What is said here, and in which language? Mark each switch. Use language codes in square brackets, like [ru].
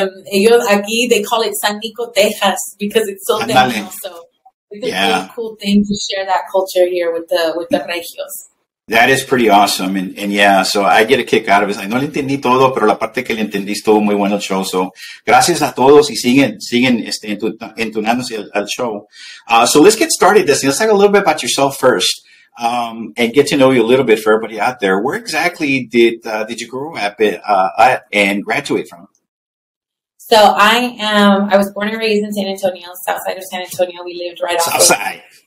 [es] Ellos aquí, [en] they call it San Nico, Texas, because it's so tejano. So it's a cool thing to share that culture here with the regios. That is pretty awesome. And yeah, so I get a kick out of it. [es] No le entendí todo, pero la parte que le entendí estuvo muy bueno el show. So gracias a todos y siguen entonándose al show. [en] So let's get started, Destiny. Let's talk a little bit about yourself first. And get to know you a little bit for everybody out there. Where exactly did you grow up and graduate from? So I was born and raised in San Antonio, south side of San Antonio. We lived right off south side.